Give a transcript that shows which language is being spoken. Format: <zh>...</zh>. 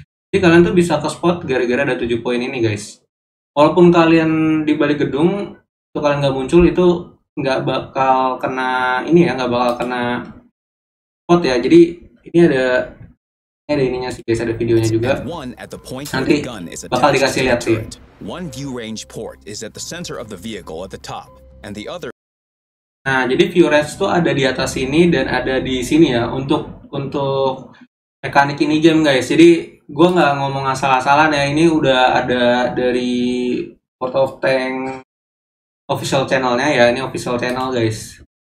<id>Jadi kalian tuh bisa ke spot gara-gara ada 7 poin ini guys. Walaupun kalian di balik gedung, itu kalian nggak muncul, itu nggak bakal kena ini ya, nggak bakal kena spot ya. Jadi ini ada ininya sih guys, ada videonya juga. Nanti bakal dikasih lihat sih.</id> <en>One view range port is at the center of the vehicle at the top, and the other.</en> <id>Nah, jadi view range tuh ada di atas sini dan ada di sini ya, untuk mekanik ini game guys. Jadi gue nggak ngomong asal-asalan ya, ini udah ada dari World of Tank official channelnya ya, ini official channel guys.</id>